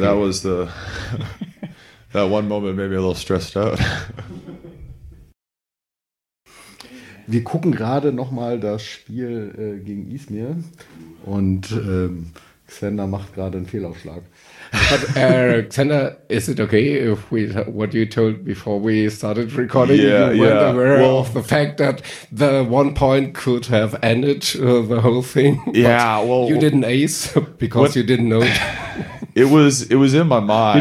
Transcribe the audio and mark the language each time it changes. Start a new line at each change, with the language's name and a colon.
English: That was the that one moment made me a little stressed out.
German: Wir gucken gerade nochmal das Spiel gegen Izmir und Xander macht gerade einen Fehlaufschlag.
English: But, Xander, is it okay if we what you told before we started recording? Yeah, you weren't aware of the fact that the one point could have ended the whole thing. Yeah, well, you didn't ace because you didn't know. It was in my mind.